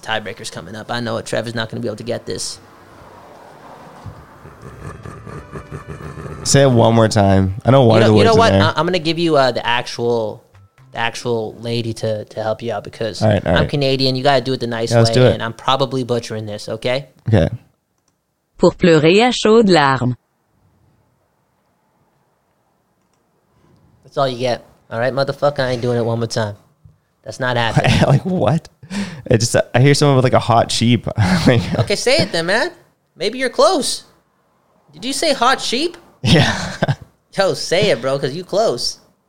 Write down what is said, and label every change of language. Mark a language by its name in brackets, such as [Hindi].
[English] Tiebreaker's coming up. I know it. Trevor's not going to be able to get this. Say it one more time. I don't want to. You know what? I'm going to give you the actual lady to help you out because all right. I'm Canadian. You got to do it the nice way. Let's do it. And I'm probably butchering this, okay? Okay. [French] Pour pleurer à chaud larmes. [English] That's all you get. All right, motherfucker, I ain't doing it one more time. That's not happening. Like, what? I hear someone with like a hot sheep. Okay, say it then, man. Maybe you're close. Did you say hot sheep? Yeah. Yo, say it, bro, because you close.